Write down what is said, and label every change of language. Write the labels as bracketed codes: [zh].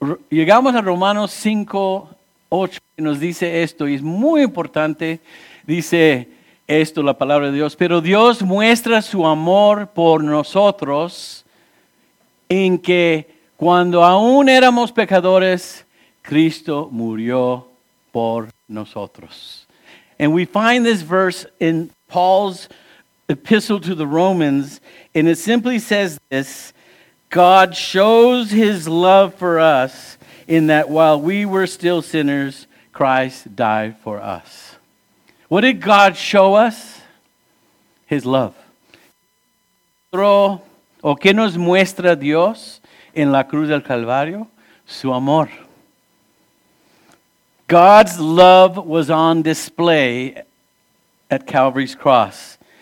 [es] Llegamos a Romanos 5:8 y nos dice esto, y es muy importante, dice esto la palabra de Dios. Pero Dios muestra su amor por nosotros en que cuando aún éramos pecadores, Cristo murió por nosotros. [en] And we find this verse in Paul's Epistle to the Romans, and it simply says this: God shows his love for us in that while we were still sinners, Christ died for us. What did God show us? His love. [es] ¿O qué nos muestra Dios en la cruz del Calvario? Su amor. [en] God's love was on display at Calvary's cross.